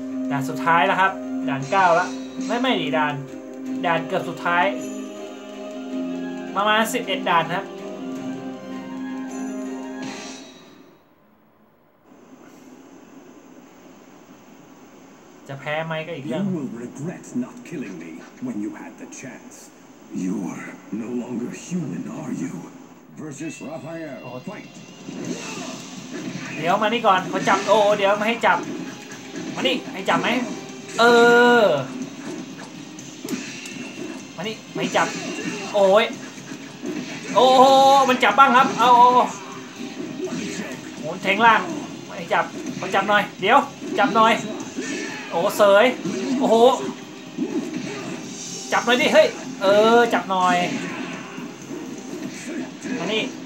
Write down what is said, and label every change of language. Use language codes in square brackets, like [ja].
[th] ด่านสุดท้ายแล้วครับด่าน9แล้วไม่ดีด่านเกือบสุดท้ายประมาณ11ด่านครับจะแพ้ไหมก็อีกเรื่อง [en] You will regret not killing me when you had the chance. You are no longer human, are you? Versus Raphael. Fight. [th] เดี๋ยวมานี่ก่อนเขาจับโอ้เดี๋ยวมาให้จับมานี่ให้จับไหมเออมานี่ไม่จับโอ้ยโอ้มันจับบ้างครับเอาโอ้โหแทงล่างไม่จับเขาจับหน่อยเดี๋ยวจับหน่อยโอ้เสยโอ้โหจับหน่อยดิเฮ้ยเออจับหน่อยมานี่